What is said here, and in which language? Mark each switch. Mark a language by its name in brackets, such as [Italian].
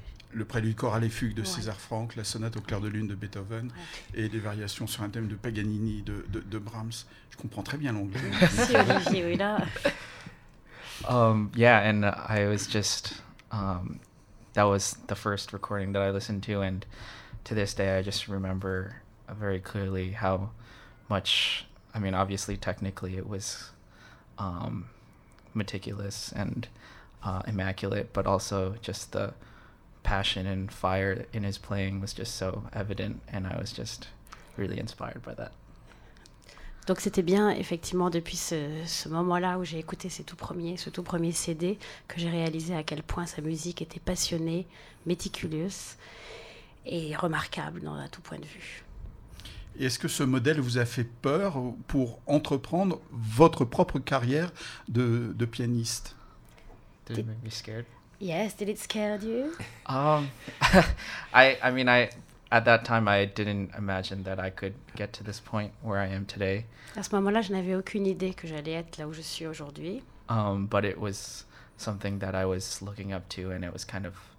[French] le prélude chorale et fugue de César Franck, la sonate au clair de lune de Beethoven et des variations sur un thème de Paganini de Brahms. Je comprends très bien l'anglais. Merci Olivier, oui là. [English] Yeah, and I was just that was the first recording that I listened to, and to this day, I just remember very clearly how much, I mean, obviously, technically, it was meticulous and immaculate, but also just the passion and fire in his playing was just so evident, and I was just really inspired by that. [French] Donc c'était bien, effectivement, depuis ce moment-là où j'ai écouté ce tout premier CD, que j'ai réalisé à quel point sa musique était passionnée, méticuleuse, et remarquable dans un tout point de vue. Et est-ce que ce modèle vous a fait peur pour entreprendre votre propre carrière de pianiste? [English] Did it make me scared? Yes, did it scare you? I mean, at that time, I didn't imagine that I could get to this point where I am today. [French] À ce moment-là, je n'avais aucune idée que j'allais être là où je suis aujourd'hui. [English] But it was something that I was looking up to, and it was kind of...